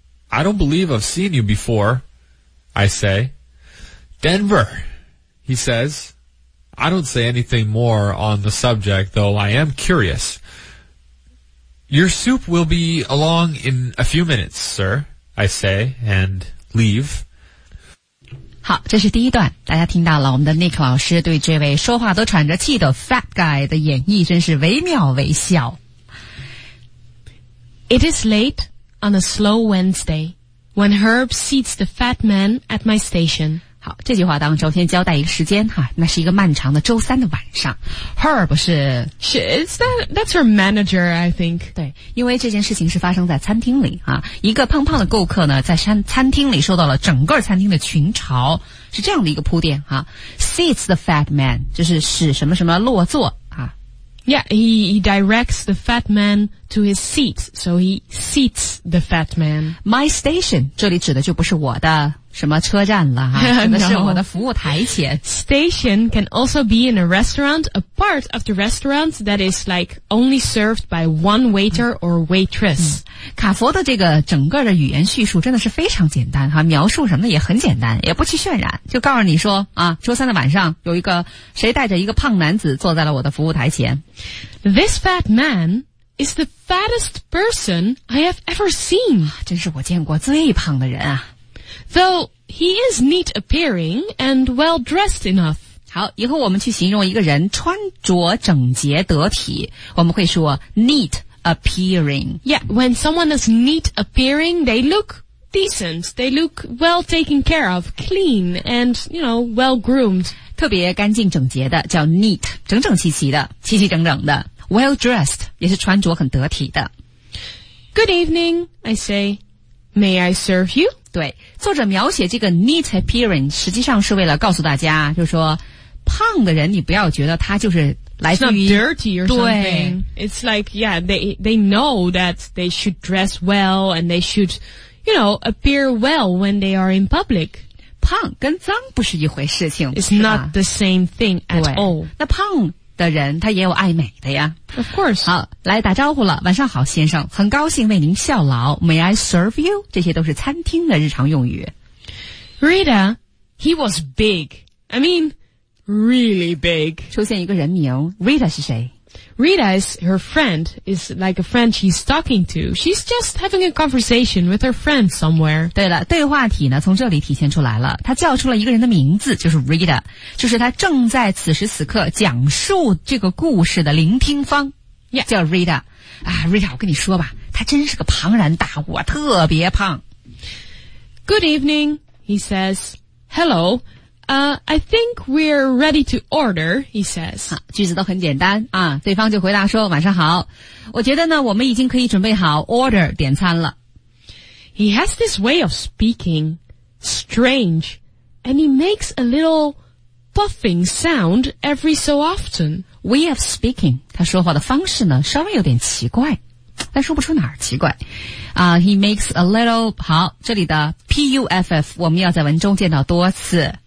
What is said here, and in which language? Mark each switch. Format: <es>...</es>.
<en>I don't believe I've seen you before, I say. Denver, he says. I don't say anything more on the subject, though I am curious. Your soup will be along in a few minutes, sir, I say, and leave.</en> <zh>好，这是第一段，大家听到了我们的 Nick 老师对这位说话都喘着气的 fat guy 的演绎，真是惟妙惟肖。</zh> <en>It is late on a slow Wednesday when Herb seats the fat man at my station.</en> <zh>好，这句话当中先交代一个时间哈，那是一个漫长的周三的晚上。 Herb 是</zh> <en>That's her manager, I think.</en> <zh>对，因为这件事情是发生在餐厅里啊，一个胖胖的顾客呢，在餐厅里受到了整个餐厅的群嘲，是这样的一个铺垫哈。</zh> <en>Seats the fat man,</en> <zh>就是使什么什么落座啊。</zh> <en>Yeah, he directs the fat man to his seat, so he seats the fat man.</en> <zh>My station, 这里指的就不是我的什么车站了，指的是我的服务台前。</zh> <en>Station can also be in a restaurant, a part of the restaurant that is like only served by one waiter or waitress.</en> <zh>卡佛的这个整个的语言叙述真的是非常简单哈，描述什么也很简单，也不去渲染，就告诉你说啊，周三的晚上有一个谁带着一个胖男子坐在了我的服务台前。</zh> <en>This fat man is the fattest person I have ever seen.</en> <zh>真是我见过最胖的人啊。</zh> <en>Though he is neat appearing and well dressed enough.</en> <zh>好，以后我们去形容一个人穿着整洁得体，我们会说 neat appearing.</zh> <en>Yeah, when someone is neat appearing, they look decent. They look well taken care of, clean, and, you know, well groomed.</en> <zh>特别干净整洁的叫 neat, 整整齐齐的，齐齐整整的。 Well dressed 也是穿着很得体的。</zh> <en>Good evening, I say. May I serve you?</en> <zh>对，作者描写这个 neat appearing 实际上是为了告诉大家，就是说胖的人你不要觉得他就是</zh> <en>It's not dirty or something. It's like, yeah, they know that they should dress well and they should, you know, appear well when they are in public.</en> <zh>胖跟脏不是一回事情。</zh> <en>It's not the same thing at all.</en> <zh>那胖的人他也有爱美的呀。</zh> <en>Of course.</en> <zh>好，来打招呼了。晚上好先生，很高兴为您效劳。</zh> <en>May I serve you?</en> <zh>这些都是餐厅的日常用语。</zh> <en>Rita, he was big. I mean, really big.</en> <zh>出现一个人名， Rita 是谁？</zh> <en>Rita is her friend, is like a friend she's talking to. She's just having a conversation with her friend somewhere.</en> <zh>对了，对话体呢，从这里体现出来了。她叫出了一个人的名字，就是 Rita， 就是她正在此时此刻讲述这个故事的聆听方。</zh> <en>Yeah.</en> <zh>叫 Rita。啊 ,Rita, 我跟你说吧，她真是个庞然大物啊，特别胖。</zh> <en>Good evening, he says. Hello. I think we're ready to order, he says.</en> <zh>句子都很简单啊，对方就回答说晚上好。我觉得呢我们已经可以准备好 order 点餐了。</zh> <en>He has this way of speaking, strange, and he makes a little puffing sound every so often. Way of speaking,</en> <zh>他说话的方式呢稍微有点奇怪。但说不出哪儿奇怪。</zh> <en>He makes a little,</en> <zh>好，这里的 PUFF, 我们要在文中见到多次。</zh>